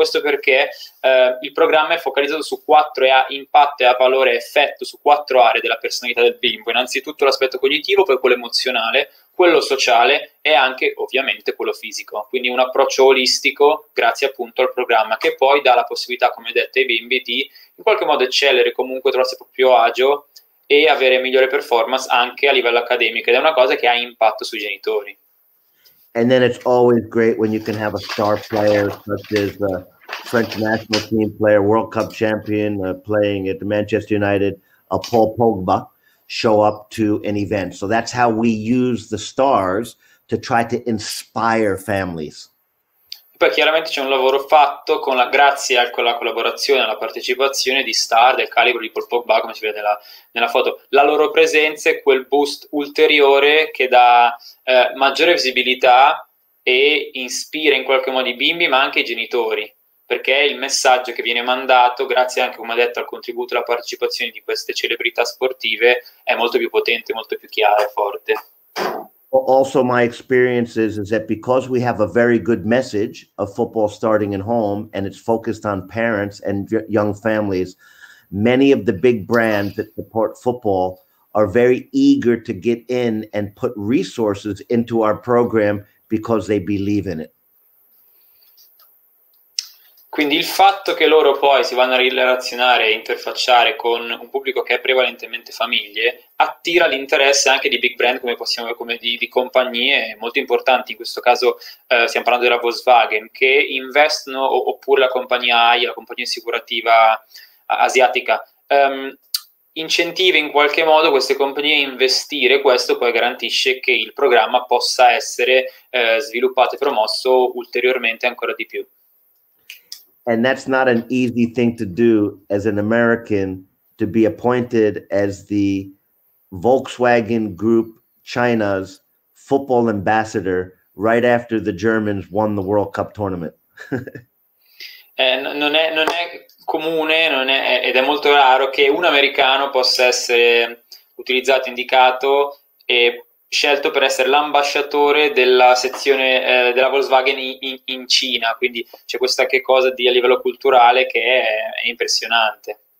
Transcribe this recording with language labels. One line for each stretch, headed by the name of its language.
Italian: Questo perché il programma è focalizzato su quattro e ha impatto e ha valore effetto su quattro aree della personalità del bimbo: innanzitutto l'aspetto cognitivo, poi quello emozionale, quello sociale e anche ovviamente quello fisico. Quindi un approccio olistico grazie appunto al programma, che poi dà la possibilità, come detto, ai bimbi di in qualche modo eccellere, comunque trovarsi proprio agio e avere migliore performance anche a livello accademico, ed è una cosa che ha impatto sui genitori.
English: And then it's always great when you can have a star player such as a French national team player, World Cup champion, playing at Manchester United, a Paul Pogba, show up to an event. So that's how we use the stars to try to inspire families.
Italian: Poi chiaramente c'è un lavoro fatto con la, grazie a quella collaborazione, alla partecipazione di star del calibro di Paul Pogba, come si vede nella foto. La loro presenza è quel boost ulteriore che dà maggiore visibilità e ispira in qualche modo i bimbi, ma anche i genitori, perché è il messaggio che viene mandato, grazie anche, come detto, al contributo e alla partecipazione di queste celebrità sportive, è molto più potente, molto più chiaro e forte.
English: Also, my experience is that because we have a very good message of football starting at home and it's focused on parents and young families, many of the big brands that support football are very eager to get in and put resources into our program because they believe in it.
Italian: Quindi il fatto che loro poi si vanno a relazionare e interfacciare con un pubblico che è prevalentemente famiglie attira l'interesse anche di big brand come di compagnie molto importanti. In questo caso stiamo parlando della Volkswagen, che investono, oppure la compagnia AI, la compagnia assicurativa asiatica. Incentiva in qualche modo queste compagnie a investire, questo poi garantisce che il programma possa essere sviluppato e promosso ulteriormente ancora di più.
English: And that's not an easy thing to do as an American, to be appointed as the Volkswagen Group China's football ambassador right after the Germans won the World Cup tournament.
Italian: non è comune, non è, ed è molto raro che un americano possa essere utilizzato, indicato e scelto per essere l'ambasciatore della sezione della Volkswagen in Cina. Quindi c'è questa che cosa di a livello culturale che è impressionante.